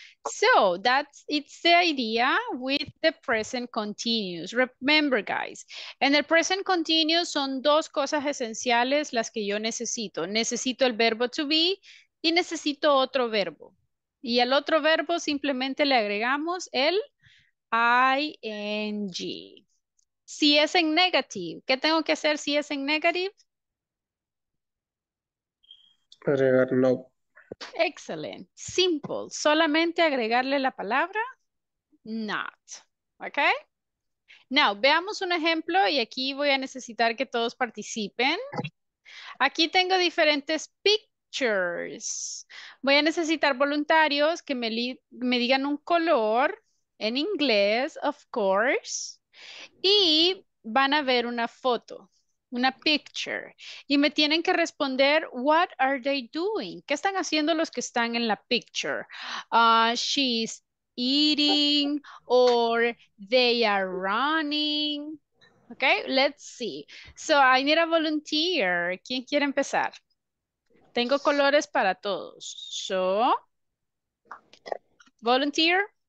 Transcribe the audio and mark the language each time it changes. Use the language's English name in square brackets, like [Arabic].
[English] So that's it's the idea with the present continuous. Remember, guys, [Spanish] en el present continuous son dos cosas esenciales las que yo necesito. Necesito el verbo to be y necesito otro verbo. Y al otro verbo simplemente le agregamos el ing. Si es en negative, ¿qué tengo que hacer si es en negative? Agregar no. [English] Excellent. [Spanish] Simple. Solamente agregarle la palabra not. ¿Ok? [English] Now, [Spanish] veamos un ejemplo y aquí voy a necesitar que todos participen. Aquí tengo diferentes pictures. Voy a necesitar voluntarios que me digan un color en inglés, [English] of course. [Spanish] Y van a ver una foto. Una picture. Y me tienen que responder, [English] what are they doing? [Spanish] ¿Qué están haciendo los que están en la picture? [English] She's eating or they are running. Okay, let's see. So I need a volunteer. [Spanish] ¿Quién quiere empezar? Tengo colores para todos. [English] So, volunteer.